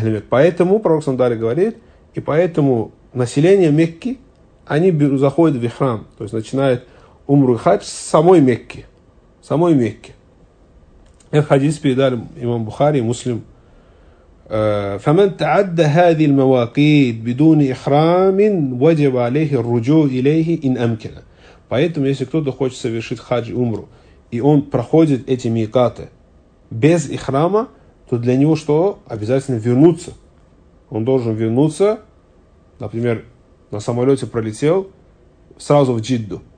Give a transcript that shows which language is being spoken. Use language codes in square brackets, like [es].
[ru] Поэтому, пророк Сандали говорит, и поэтому население Мекки, они заходят в храм, то есть начинают умру и хадж с самой Мекки. Самой Мекки. Этот хадис передали имам Бухари и Муслим. [ar] فمن تعدى هذه المواقيت بدون إحرام وجب عليه الرجوع إليه إن أمكن. [ru] Поэтому, если кто-то хочет совершить хадж умру, и он проходит эти микаты без ихрама, то для него что? Обязательно вернуться. Он должен вернуться, например, на самолете пролетел, сразу в Джидду.